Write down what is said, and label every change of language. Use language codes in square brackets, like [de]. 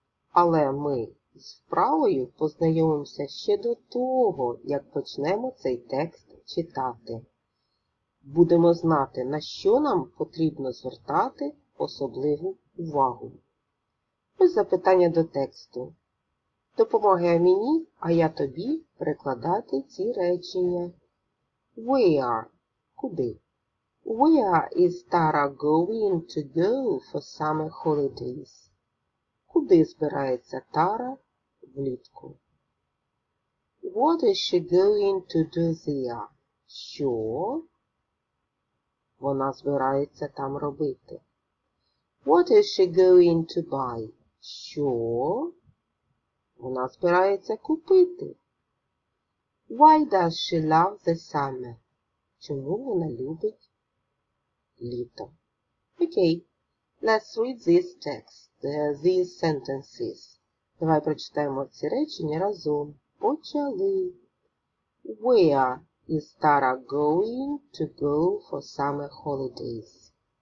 [uk] Але ми з вправою познайомимося ще до того, як почнемо цей текст читати. Будемо знати, на що нам потрібно звертати особливу увагу. Ось запитання до тексту. Допомагай мені, а я тобі перекладати ці речення. [en] Where? [uk] Куди? [en] Where is Tara going to go for summer holidays? [uk] Куди збирається Тара влітку? [en] What is she going to do there? [uk] Що вона збирається там робити? [en] What is she going to buy? [uk] Що вона збирається купити? [en] Why does she love the summer? [uk] Чому вона любить літо? [en] Okay, let's read this text, these sentences. [uk] Давай прочитаємо ці речення разом. Почали. [en] Where is Tara going to go for summer holidays?